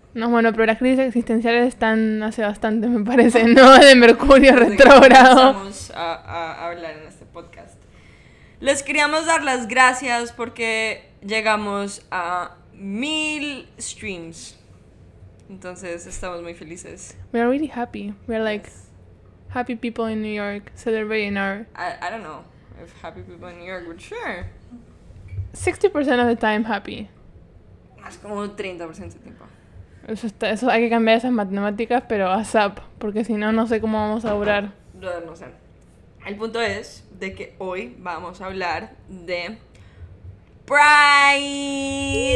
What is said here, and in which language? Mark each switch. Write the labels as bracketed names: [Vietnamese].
[Spanish] No, bueno, pero las crisis existenciales están hace bastante, me parece, ¿no? De Mercurio retrógrado. Vamos a hablar en este podcast. Les queríamos dar las gracias porque llegamos a 1,000 streams. Entonces, estamos muy felices. [English] We are really happy. We are like happy people in New York celebrating our... I don't know if happy people in New York, but sure. 60% of the time happy. [Spanish] Más como 30% del tiempo. Eso hay que cambiar esas matemáticas, pero ASAP, porque si no, no sé cómo vamos a obrar. No sé. El punto es de que hoy vamos a hablar de Pride.